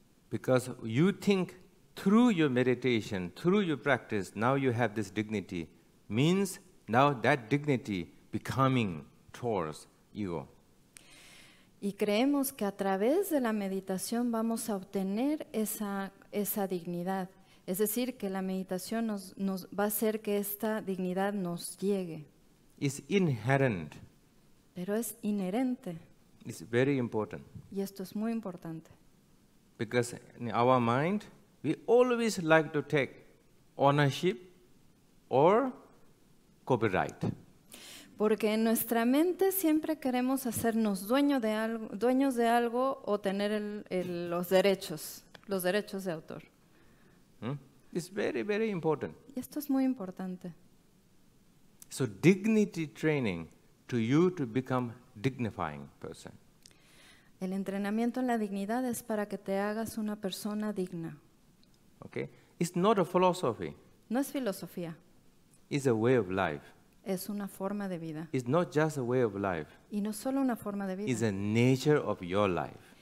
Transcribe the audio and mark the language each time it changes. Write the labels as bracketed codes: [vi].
[en] Because you think through your meditation, through your practice, now you have this dignity, means now that dignity becoming towards ego. [es] Y creemos que a través de la meditación vamos a obtener esa dignidad. Es decir, que la meditación nos va a hacer que esta dignidad nos llegue. [en] It's inherent. [es] Pero es inherente. [en] It's very important. [es] Y esto es muy importante. [en] Because in our mind, we always like to take ownership or copyright. [es] Porque en nuestra mente siempre queremos hacernos dueños de algo o tener los derechos de autor. [en] It's very, very important. [es] Y esto es muy importante. [en] So dignity training to you to become dignifying person. [es] El entrenamiento en la dignidad es para que te hagas una persona digna. [en] Okay? It's not a philosophy. [es] No es filosofía. [en] It's a way of life. [es] Es una forma de vida. [en] It's not just a way of life. [es] Y no solo una forma de vida. [en] It's a nature of your life.